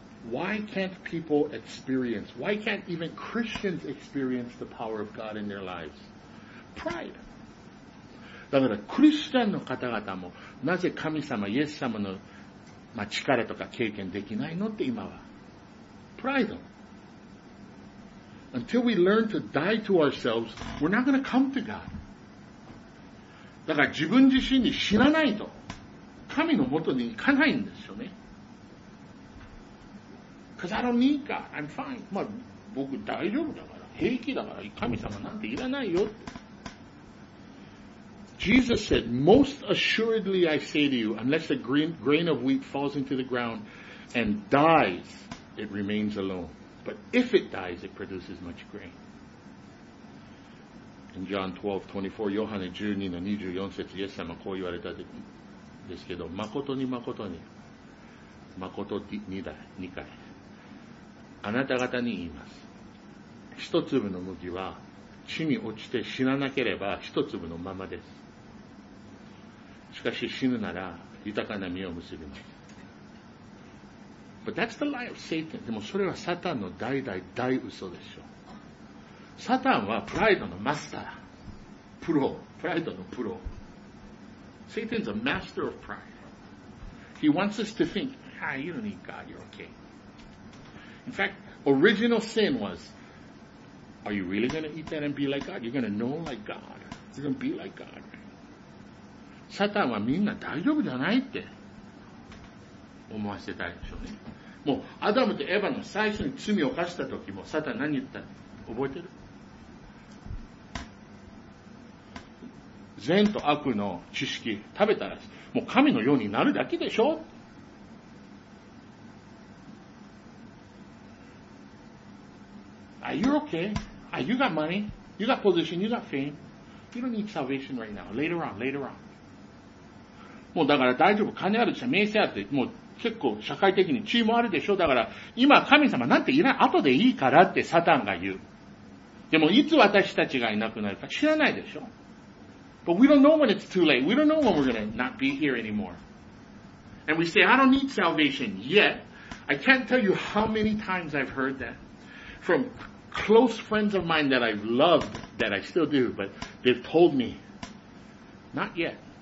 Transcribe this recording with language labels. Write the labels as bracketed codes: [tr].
[en] Why can't people experience, why can't even Christians experience the power of God in their lives? Pride. [ja] だから、クリスチャンの方々も、なぜ神様、イエス様の、まあ、力とか経験できないのって今は。 [en] Pride. Until we learn to die to ourselves, we're not going to come to God. [ja] だから自分自身に死なないと、神のもとに行かないんですよね。 [en] Because I don't need God. I'm fine. [ja] まあ、僕大丈夫だから、平気だから、神様なんていらないよって。 [en] Jesus said, most assuredly I say to you, unless a grain of wheat falls into the ground and dies, it remains alone. But if it dies, it produces much grain. In John 12:24, [ja] Yohane 12:24 節、イエス様こう言われたですけど、誠に誠に、誠に2回、あなた方に言います。一粒の麦は地に落ちて死ななければ一粒のままです。しかし死ぬなら豊かな実を結びます。 [en] But that's the lie of Satan. [ja] でもそれはサタンの大大大嘘でしょ。サタンはプライドのマスター。プロ。プライドのプロ。 [en] Satan's a master of pride. He wants us to think, ah, you don't need God, you're okay. In fact, original sin was, are you really going to eat that and be like God? You're going to know like God. You're going to be like God. [ja] サタンはみんな大丈夫じゃないって思わせたいでしょうね。もうアダムとエヴァの最初に罪を犯した時もサタン何言ったの覚えてる？善と悪の知識食べたらもう神のようになるだけでしょ。 [en] Are you okay? Are you got money? You got position? You got fame? You don't need salvation right now. Later on. Later on. [ja] もうだから大丈夫。金あるし名声あって、もう結構社会的に地位もあるでしょ。だから今神様なんていない後でいいからってサタンが言う。でもいつ私たちがいなくなるか知らないでしょ。 [en] But we don't know when it's too late. We don't know when we're going to not be here anymore. And we say, I don't need salvation yet. I can't tell you how many times I've heard that. From close friends of mine that I've loved, that I still do, but they've told me, not yet.